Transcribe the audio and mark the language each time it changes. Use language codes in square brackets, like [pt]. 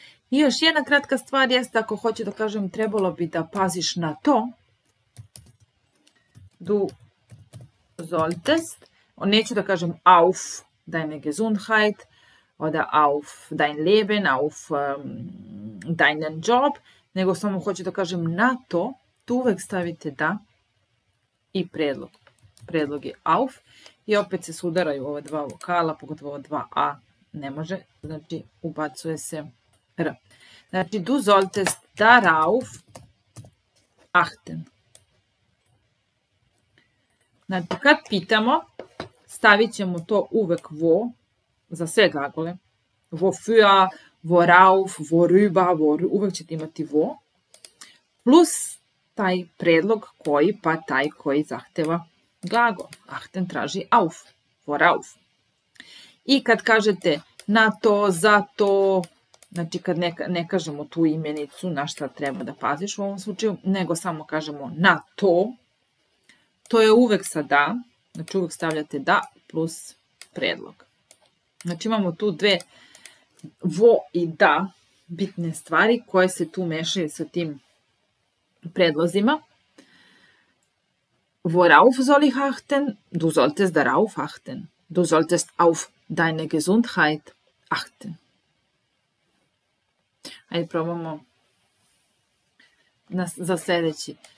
[sr] I još jedna kratka stvar jeste, ako hoće da kažem, trebalo bi da paziš na to, [de] du solltest, [sr] neću da kažem [de] auf deine Gesundheit oder auf dein Leben, auf deinen Job, [sr] nego samo hoću da kažem na to, tu uvek stavite da i predlog. Predlog je auf i opet se sudaraju ova dva vokala, pogotovo ova dva a, ne može, znači ubacuje se r. Znači, [de] du solltest darauf achten. [sr] Znači, kad pitamo, stavit ćemo to uvek wo, za sve glagole. [de] Wofür, worauf, worüber, worüber, [sr] uvek ćete imati [de] wo. [sr] Plus taj predlog koji, pa taj koji zahteva glagol. [de] Achten [sr] traži [de] auf, worauf. [sr] I kad kažete na to, za to, znači kad ne kažemo tu imenicu na šta treba da paziš u ovom slučaju, nego samo kažemo na to, to je uvek sa da, znači uvek stavljate da plus predlog. Znači imamo tu dve vo i da bitne stvari koje se tu mešaju sa tim predlozima. [de] Worauf soll ich achten? Du solltest darauf achten. Du solltest auf deine Gesundheit achten. [sr] Ajde probamo za sledeći.